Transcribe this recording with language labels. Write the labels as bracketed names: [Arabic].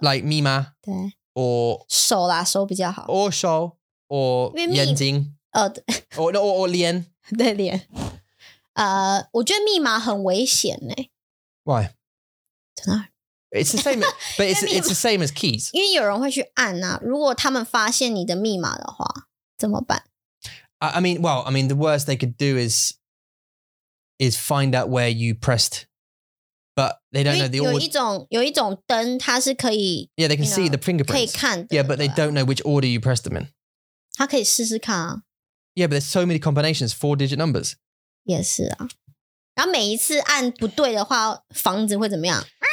[English] Like 密码, [Chinese] 对, [English] or [Chinese] 手啦, 手比较好。 [English] Or 手, or 眼睛, [Chinese] 耳朵, [English] or 脸, [Chinese] 对, 脸。我觉得密码很危险欸。 [English] Why? [Chinese] 在哪? [English] It's the same, but it's the same as keys. [Chinese] 因为有人会去按啊, 如果他们发现你的密码的话, 怎么办? [English] I mean, the worst they could do is find out where you pressed, but they don't know the order. [Chinese] 有一种灯它是可以, [English] yeah, they can see the fingerprints. [Chinese] 可以看的, [English] yeah, but they don't know which order you pressed them in. [Chinese] 它可以试试看啊。 [English] Yeah, but there's so many combinations, four-digit numbers. [Chinese] 也是啊。然后每一次按不对的话, 房子会怎么样?